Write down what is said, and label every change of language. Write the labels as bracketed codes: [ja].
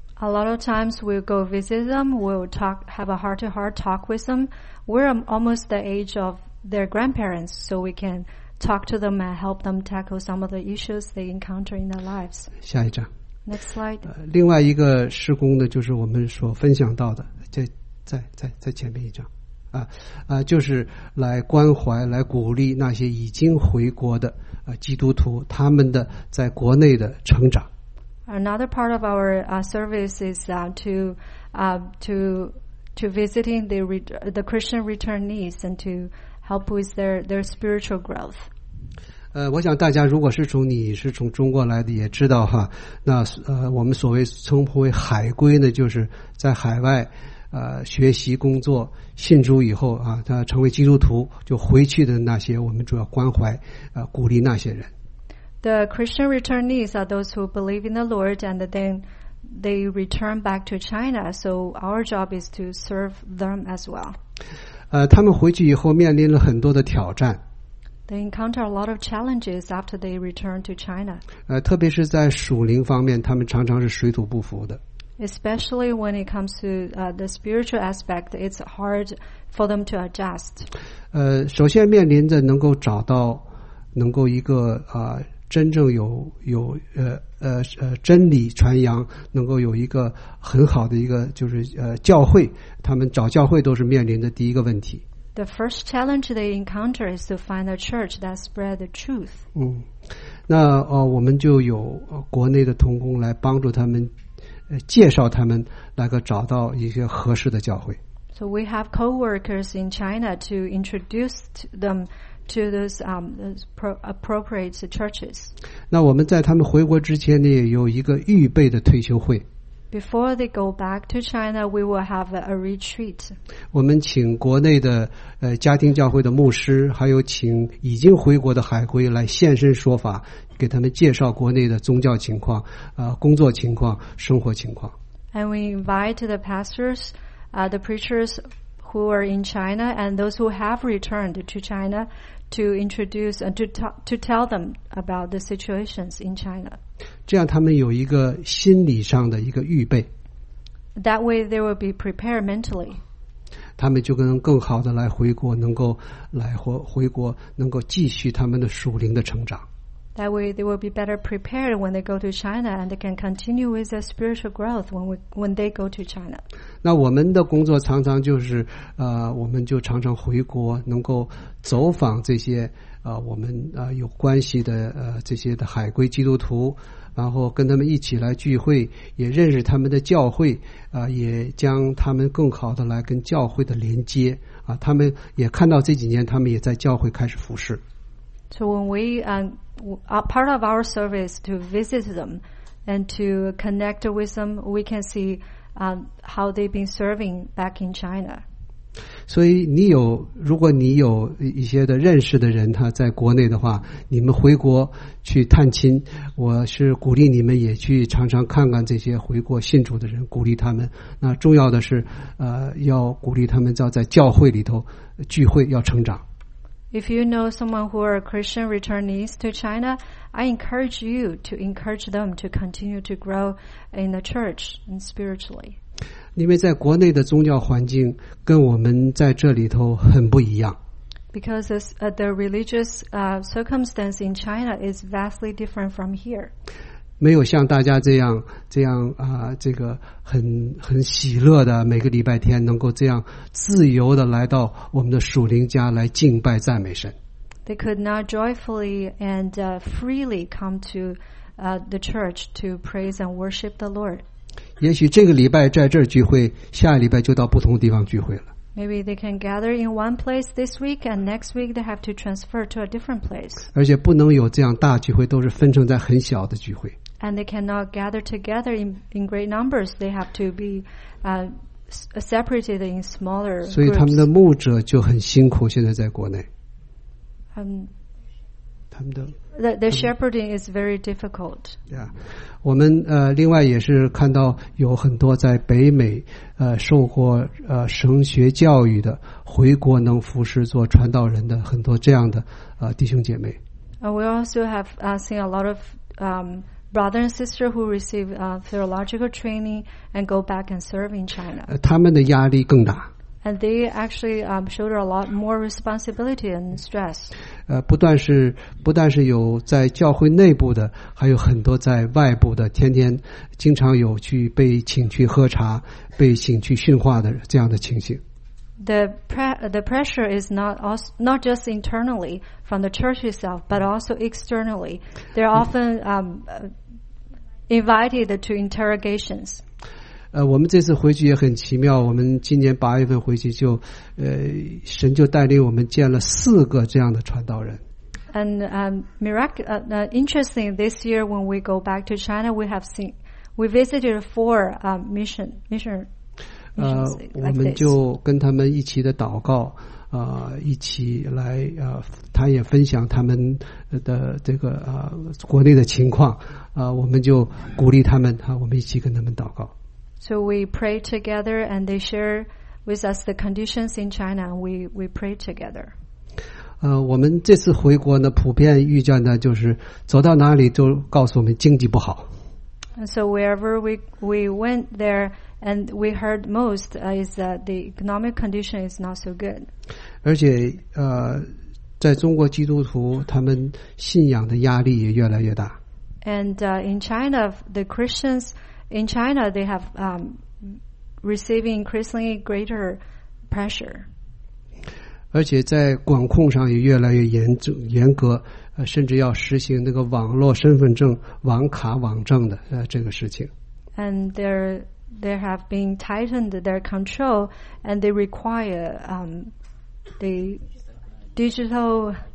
[en] A lot of times we'll go visit them, we'll talk, have a heart-to-heart talk with them. We're almost the age of their grandparents, so we can. Talk to them and help them tackle some of the issues they encounter in their lives. [zh] 下一章。 [en] Next slide. [zh] 另外一个事工呢，就是我们所分享到的，在前面一章，就是来关怀、来鼓励那些已经回国的基督徒，他们的在国内的成长。 [en] Another part of our service is to visiting the Christian returnees and to. Help with their spiritual growth. [zh] 我想大家如果是从你是从中国来的，也知道哈。那我们所谓称呼为海归呢，就是在海外学习、工作、信主以后啊，他成为基督徒就回去的那些，我们主要关怀鼓励那些人。 [en] The Christian returnees are those who believe in the Lord and then they return back to China. So our job is to serve them as well. [zh] 他们回去以后面临了很多的挑战。 [en] They encounter a lot of challenges after they return to China. [zh] 特别是在属灵方面，他们常常是水土不服的。 [en] Especially when it comes to the spiritual aspect, it's hard for them to adjust. [zh] 首先面临着能够找到能够一个真正有真理传扬，能够有一个很好的一个就是教会，他们找教会都是面临的第一个问题。 [en] The first challenge they encounter is to find a church that spread the truth. [zh] 那我们就有国内的同工来帮助他们，介绍他们来个找到一些合适的教会。 [en] So we have co-workers in China to introduce them to those appropriate churches. [zh] 那我们在他们回国之前呢，有一个预备的退休会。 [en] Before they go back to China, we will have a retreat. [zh] 我们请国内的家庭教会的牧师，还有请已经回国的海归来现身说法，给他们介绍国内的宗教情况、工作情况、生活情况。 [en] And we invite the pastors, the preachers who are in China and those who have returned to China to introduce and to tell them about the situations in China. [zh] 这样他们有一个心理上的一个预备。 [en] That way they will be prepared mentally. [zh] 他们就能更好的来回国，能够来回国，能够继续他们的属灵的成长。 [en] That way they will be better prepared when they go to China and they can continue with their spiritual growth when they go to China. [zh] 那我们的工作常常就是我们就常常回国，能够走访这些我们有关系的这些的海归基督徒，然后跟他们一起来聚会，也认识他们的教会，也将他们更好的来跟教会的连接，他们也看到这几年他们也在教会开始服侍。 [en] So when we are part of our service to visit them and to connect with them, we can see how they've been serving back in China. [zh] 所以你有，如果你有一些的认识的人他在国内的话，你们回国去探亲，我是鼓励你们也去常常看看这些回国信主的人，鼓励他们。那重要的是要鼓励他们要在教会里头聚会，要成长。 [en] If you know someone who are Christian returnees to China, I encourage you to encourage them to continue to grow in the church and spiritually. [zh] 因为在国内的宗教环境跟我们在这里头很不一样。 [en] Because the religious circumstance in China is vastly different from here. [zh] 没有像大家这样这个很喜乐的每个礼拜天能够这样自由的来到我们的属灵家来敬拜赞美神。 [en] They could not joyfully and freely come to the church to praise and worship the Lord. [zh] 也许这个礼拜在这儿聚会，下个礼拜就到不同的地方聚会了。 [en] Maybe they can gather in one place this week and next week they have to transfer to a different place. [zh] 而且不能有这样大聚会，都是分成在很小的聚会。 [en] And they cannot gather together in great numbers. They have to be separated in smaller groups. [zh] 所以他们的牧者就很辛苦，现在在国内。他们的 [en] The shepherding is very difficult. Yeah. [zh] 我们另外也是看到有很多在北美受过神学教育的回国能服侍做传道人的很多这样的弟兄姐妹。 [en] We also have seen a lot of brother and sister who receive theological training and go back and serve in China. [zh] 他们的压力更大。 [en] And they actually shoulder a lot more responsibility and stress. [zh] 不但是有在教会内部的，还有很多在外部的，天天经常有去被请去喝茶，被请去训话的这样的情形。 [en] The pressure is not just internally from the church itself, but also externally. They're often invited to interrogations. [zh] 我们这次回去也很奇妙，我们今年八月份回去就神就带领我们见了四个这样的传道人。 [en] And interesting, this year when we go back to China, we visited four mission [zh] 我们就跟他们一起的祷告，一起来他也分享他们的这个国内的情况，我们就鼓励他们，我们一起跟他们祷告。 [en] So we pray together and they share with us the conditions in China and we pray together. [zh] 我们这次回国呢，普遍遇见的就是走到哪里都告诉我们经济不好。 [en] And so wherever we went there and we heard most is that the economic condition is not so good. [zh] 而且在中国基督徒他们信仰的压力也越来越大。 [en] And in China, the Christians,In China, they have receiving increasingly greater pressure. [zh] 而且在管控上也越来越严格，甚至要实行那个网络身份证、网卡、网证的这个事情。 [en] And they have been tightened their control, and they require the digital